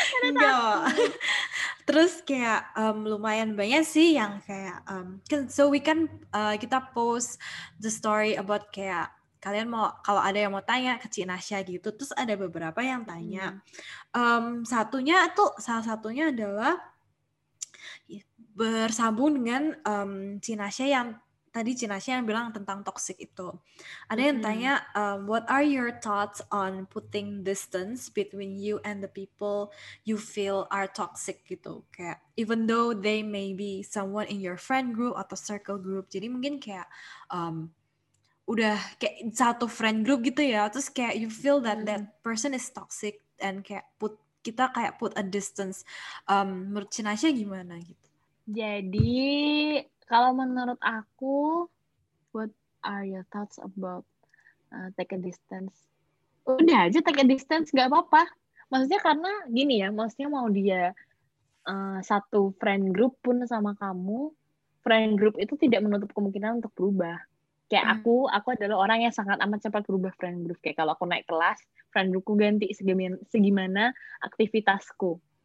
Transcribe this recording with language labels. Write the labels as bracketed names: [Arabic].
[Indonesian] Nggak. Terus kayak lumayan banyak sih yang kayak [English] so we can [Indonesian] kita post the story about kayak kalian mau, kalau ada yang mau tanya ke Cinasya gitu. Terus ada beberapa yang tanya. Satunya tuh, salah satunya adalah bersambung dengan Cinasya yang tadi, Cinasya yang bilang tentang toxic itu. Ada yang tanya, [English] what are your thoughts on putting distance between you and the people you feel are toxic gitu. Kayak, even though they may be someone in your friend group atau circle group. [Indonesian] Jadi mungkin kayak udah kayak satu friend group gitu ya. Terus kayak [English] you feel that that person is toxic and kayak put a distance. [Indonesian] Menurut Cinasya gimana gitu? Jadi kalau menurut aku, [English] what are your thoughts about take a distance? [Indonesian] Udah aja [English] take a distance, [Indonesian] gak apa-apa. Maksudnya karena gini ya, maksudnya mau dia satu friend group pun sama kamu, friend group itu tidak menutup kemungkinan untuk berubah. Kayak aku adalah orang yang sangat amat cepat berubah friend group. Kayak kalau aku naik kelas, friend groupku ganti segimana aktivitasku.